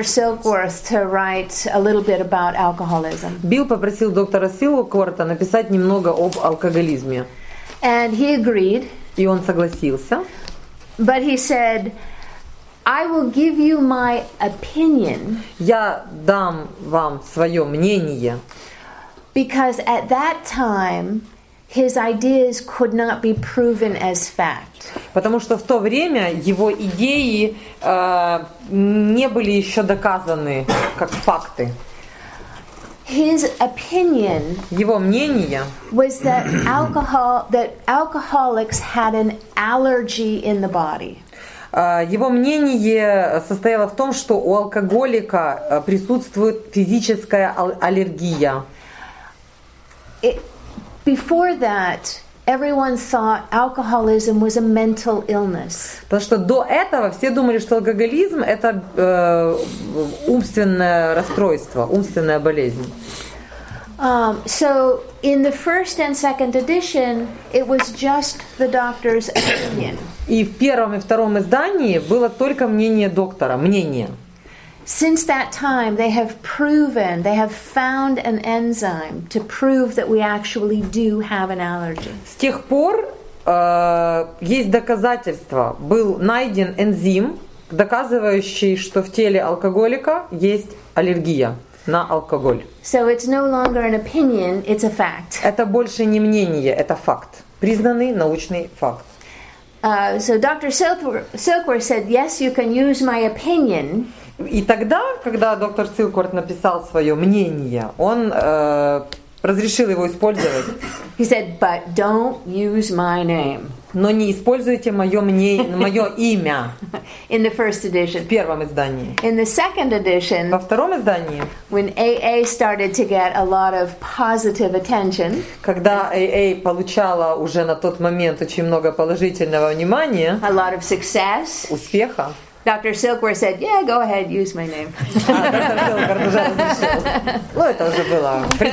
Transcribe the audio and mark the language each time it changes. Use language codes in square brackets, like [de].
[en] Silkworth to write a little bit about alcoholism. [ru] Билл попросил доктора Силкворта написать немного об алкоголизме. [en] And he agreed. [ru] И он согласился. [en] But he said, "I will give you my opinion." [ru] Я дам вам свое мнение. [en] Because at that time. His ideas could not be proven as fact. [ru] Потому что в то время его идеи не были еще доказаны как факты. [en] His opinion. [ru] Его мнение. [en] Was that alcohol that alcoholics had an allergy in the body? [ru] Его мнение состояло в том, что у алкоголика присутствует физическая аллергия. [en] Before that, everyone thought alcoholism was a mental illness. [ru] Потому что до этого все думали, что алкоголизм – это умственное расстройство, умственная болезнь. [en] So in the first and second edition, it was just the doctor's opinion. [ru] И в первом и втором издании было только мнение доктора, мнение. [en] Since that time, they have proven, they have found an enzyme to prove that we actually do have an allergy. [ru] С тех пор есть доказательства. Был найден энзим, доказывающий, что в теле алкоголика есть аллергия на алкоголь. [en] So it's no longer an opinion, it's a fact. [ru] Это больше не мнение, это факт. Признанный научный факт. [en] So Dr. Silkworth said, yes, you can use my opinion. [ru] И тогда, когда доктор Силкворт написал свое мнение, он разрешил его использовать. [en] He said, but don't use my name. [ru] Но не используйте мое имя. [en] In the first edition. [ru] В первом издании. [en] In the second edition. [ru] Во втором издании. [en] When AA started to get a lot of positive attention. [ru] Когда AA получала уже на тот момент очень много положительного внимания. [en] A lot of success. [ru] Успеха. [en] Dr. Silkworth said, "Yeah, go ahead, use my name." [ru] Ну это уже было.